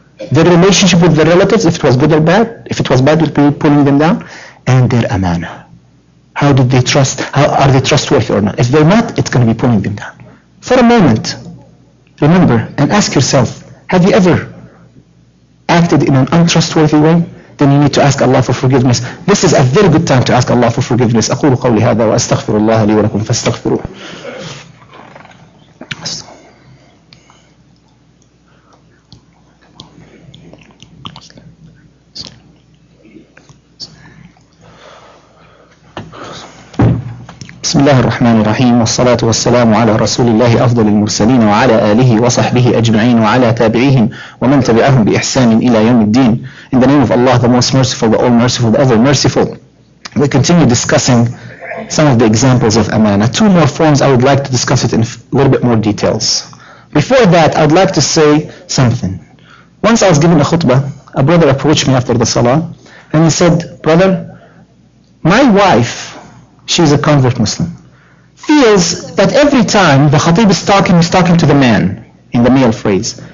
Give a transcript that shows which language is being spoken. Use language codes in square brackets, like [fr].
[en] Their relationship with their relatives, if it was good or bad, if it was bad, it would be pulling them down, and their amana. How did they trust? How are they trustworthy or not? If they're not, it's going to be pulling them down. For a moment, remember and ask yourself, have you ever acted in an untrustworthy way, then you need to ask Allah for forgiveness. This is a very good time to ask Allah for forgiveness. [ar] أقول قولي هذا وأستغفر الله لي ولكم فاستغفروه. بسم الله الرحمن الرحيم والصلاة والسلام على رسول الله أفضل المرسلين وعلى آله وصحبه أجمعين وعلى تابعيهم ومن تبعهم بإحسان إلى يوم الدين. [en] In the name of Allah, the most merciful, the all merciful, the ever merciful. We continue discussing some of the examples of amana. Two more forms, I would like to discuss it in a little bit more details. Before that, I'd like to say something. Once I was giving a khutbah, a brother approached me after the salah and he said, "Brother, my wife, she's a convert Muslim, feels that every time the khatib is talking, he's talking to the man in the male phrase.